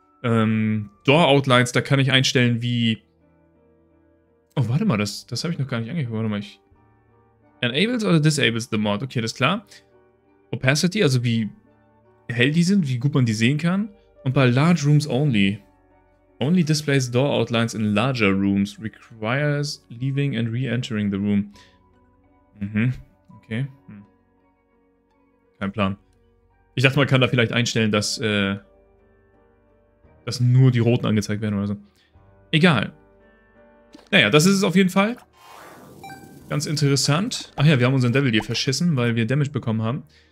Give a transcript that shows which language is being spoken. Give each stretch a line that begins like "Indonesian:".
German: Door-Outlines, da kann ich einstellen wie... Oh, warte mal, das habe ich noch gar nicht angeguckt. Warte mal, ich... Enables oder
English: disables the mod?
German: Okay, das ist klar. Opacity, also wie hell die sind, wie gut man die sehen kann. Und bei Large Rooms Only...
English: Only displays door outlines in larger rooms. Requires leaving and re-entering the room.
German: Mhm. Okay. Kein Plan. Ich dachte, man kann da vielleicht einstellen, dass nur die roten angezeigt werden oder so. Egal. Naja, das ist es auf jeden Fall. Ganz interessant. Ach ja, wir haben unseren Devil hier verschissen, weil wir Damage bekommen haben.